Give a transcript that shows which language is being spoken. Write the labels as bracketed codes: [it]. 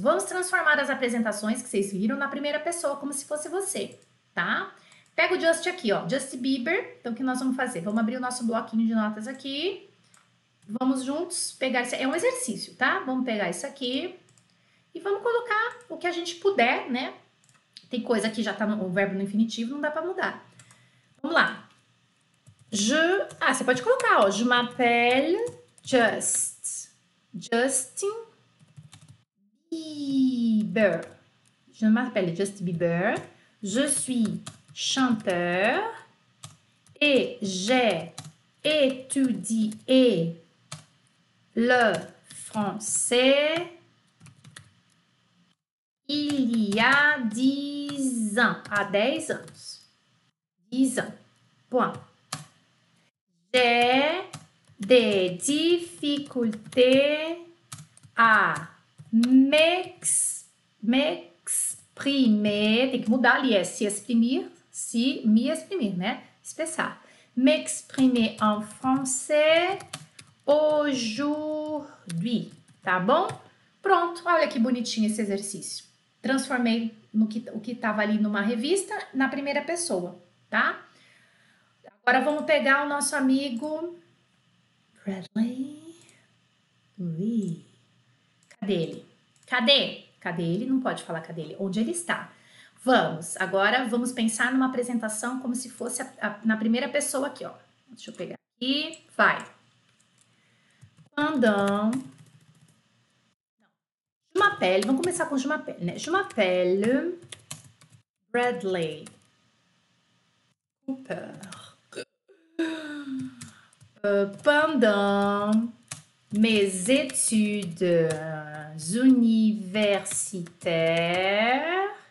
[pt] Vamos transformar as apresentações que vocês viram na primeira pessoa, como se fosse você, tá? Pega o Justin aqui, ó. Justin Bieber. Então, o que nós vamos fazer? Vamos abrir o nosso bloquinho de notas aqui. Vamos juntos pegar... É um exercício, tá? Vamos pegar isso aqui. E vamos colocar o que a gente puder, né? Tem coisa que já tá no verbo no infinitivo, não dá pra mudar. Vamos lá. Você pode colocar, ó. [fr] Je m'appelle Justin Bieber. Je m'appelle Justin Bieber. Je suis chanteur. Et j'ai étudié le français il y a 10 ans. À 10 ans. 10 ans. Point. J'ai des difficultés à m'exprimer. [pt] Tem que mudar ali, é se exprimir, né? Expressar. [fr] M'exprimer en français aujourd'hui. [pt] Tá bom? Pronto, olha que bonitinho esse exercício. Transformei o que estava ali numa revista na primeira pessoa, tá? Agora vamos pegar o nosso amigo. Bradley, oui. Cadê ele? Não pode falar cadê ele. Onde ele está? Vamos, agora vamos pensar numa apresentação como se fosse na primeira pessoa aqui, ó. Deixa eu pegar aqui, vai. [fr] Je m'appelle Bradley Cooper. Pendant mes études universitaires.